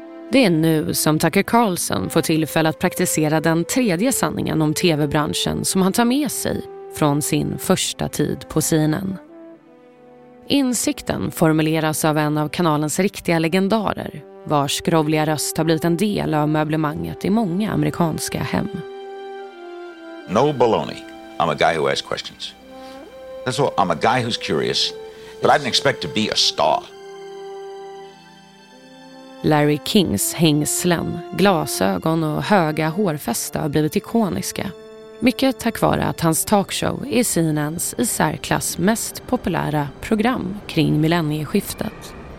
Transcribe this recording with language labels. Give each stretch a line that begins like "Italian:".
Swedish: Det är nu som Tucker Carlson får tillfälle att praktisera den tredje sanningen om tv-branschen som han tar med sig från sin första tid på CNN. Insikten formuleras av en av kanalens riktiga legendarer, vars grovliga röst har blivit en del av möblemanget i många amerikanska hem.
English: No baloney. I'm a guy who asks questions. That's all. I'm a guy who's curious, but I didn't expect to be a star.
Swedish: Larry Kings hängslen, glasögon och höga hårfästa har blivit ikoniska. Mycket tack vare att hans talkshow är CNNs i särklass mest populära program kring millennieskiftet.